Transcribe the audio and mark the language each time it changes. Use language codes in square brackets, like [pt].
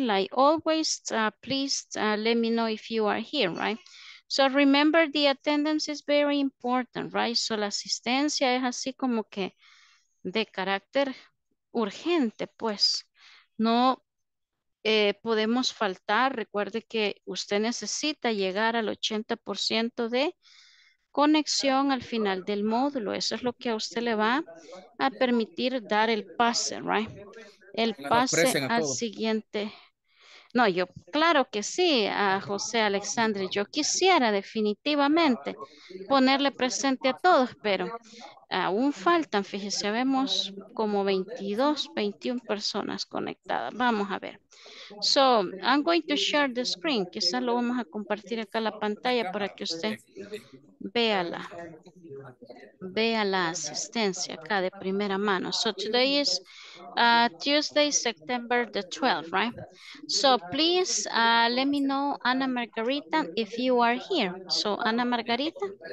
[en] Like always, please let me know if you are here, right? So remember, the attendance is very important, right? [es] So la asistencia es así como que de carácter urgente, pues. No podemos faltar. Recuerde que usted necesita llegar al 80% de conexión al final del módulo. Eso es lo que a usted le va a permitir dar el pase, right? El pase al siguiente. No, yo claro que sí, a José Alexandre. Yo quisiera definitivamente ponerle presente a todos, pero Aún faltan, fíjese, vemos como 22, 21 personas conectadas. Vamos a ver. [en] So, I'm going to share the screen. [es] Quizás lo vamos a compartir acá la pantalla para que usted véala. Vea la asistencia acá de primera mano. [en] So, today is Tuesday, September the 12th, right? So, please let me know, Ana Margarita, if you are here. So, Ana Margarita.